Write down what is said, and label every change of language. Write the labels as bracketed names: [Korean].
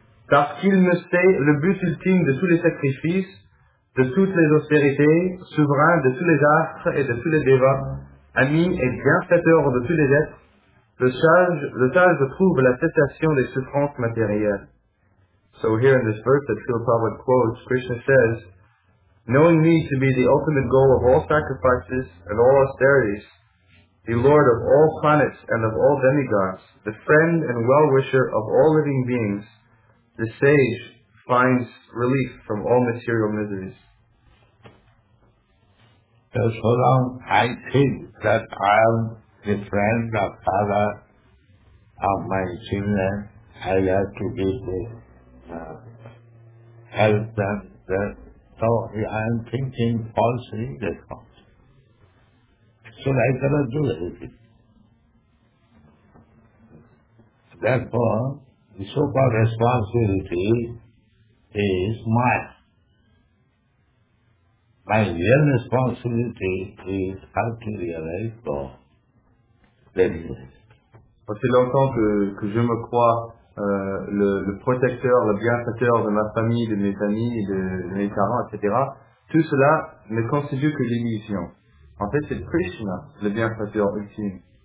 [French] Parce qu'il me sait le but ultime de tous les sacrifices, de toutes les austérités, souverain de tous les astres et de tous les dévats, ami et bienfaiteur de tous les êtres, le sage trouve la cessation des souffrances matérielles. [English] So here in this verse that Srila Prabhupada quotes, Krishna says, knowing me to be the ultimate goal of all sacrifices and all austerities, the lord of all planets and of all demigods, the friend and well-wisher of all living beings, the sage finds relief from all material miseries. So long I think that I am the friend of father of my children, I have to give them, help them. So I am thinking falsely. So I cannot do anything. Therefore, the so-called responsibility is mine. My real responsibility is how to realize God. That is it. [French] Aussi longtemps que je me crois le protecteur, le bienfaiteur de ma famille, de mes amis, de mes parents, etc., tout cela ne constitue que l'illusion. En fait, c'est Krishna, le bienfaiteur ultime.